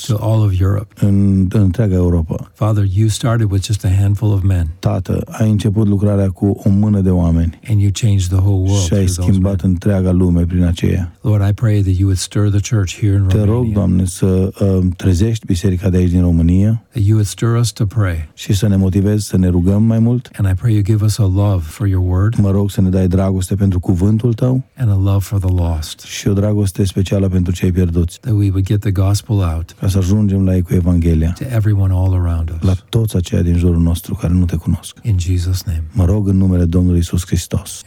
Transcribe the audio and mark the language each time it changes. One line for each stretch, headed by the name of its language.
English: To all of Europe.
Romanian: În întreaga Europa.
English: Father, you started with just a handful of men.
Romanian: Tată, ai început lucrarea cu o mână de oameni.
English: And you changed the whole world.
Romanian: Și ai schimbat întreaga lume prin aceea.
English: Lord, I pray that you would stir the church here in Romania.
Romanian: Te rog, Doamne, să trezești biserica de aici din România.
English: That you would stir us to pray.
Romanian: Și să ne motivezi să ne rugăm mai mult.
English: And I pray you give us a love for your word.
Romanian: Mă rog să ne dai dragoste pentru cuvântul tău.
English: And a love for the lost.
Romanian: Și o dragoste specială pentru cei pierduți.
English: That we would get the gospel out.
Romanian: Ca să ajungem la ei cu Evanghelia.
English: To everyone all around us.
Romanian: La toți aceia din jurul nostru care nu te cunosc.
English: In Jesus' name.
Romanian: Mă rog în numele Domnului Iisus Hristos.